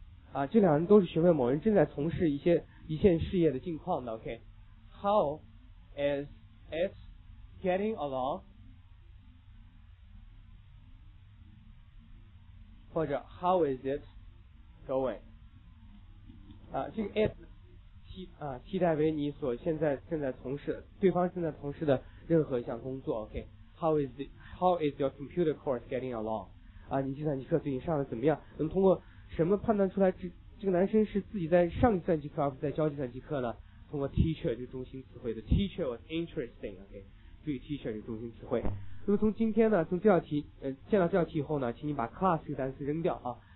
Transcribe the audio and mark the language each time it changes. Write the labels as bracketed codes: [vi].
[zh] 啊，这两人都是询问某人正在从事一线事业的近况的。 OK [en] How is it getting along? [zh] 或者 [en] How is it going? [zh] 啊，这个 it 替代为你所现在正在从事，对方正在从事的任何一项工作。 [en] OK, How is your computer course getting along? [zh] 啊，你计算机课最近上的怎么样？能通过什么判断出来这个男生是自己在上计算机课，而不是在教计算机课呢？通过 teacher 这个中心词汇的 [en] teacher was interesting. [zh] OK, 注意 teacher 这个中心词汇。那么从今天呢，从这道题见到这道题以后呢，请你把 class 这个单词扔掉啊。